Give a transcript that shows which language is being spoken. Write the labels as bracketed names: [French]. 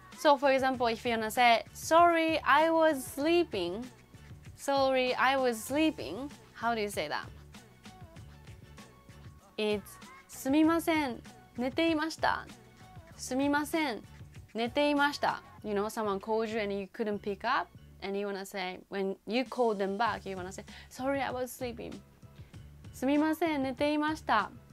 [English] So for example, if you wanna say, Sorry, I was sleeping. Sorry, I was sleeping. How do you say that? [Japanese] It's すみません、寝ていました。すみません、寝ていました。 [English] You know, someone called you and you couldn't pick up and you wanna say, when you called them back, you wanna say, Sorry, I was sleeping. [Japanese] すみません、寝ていました。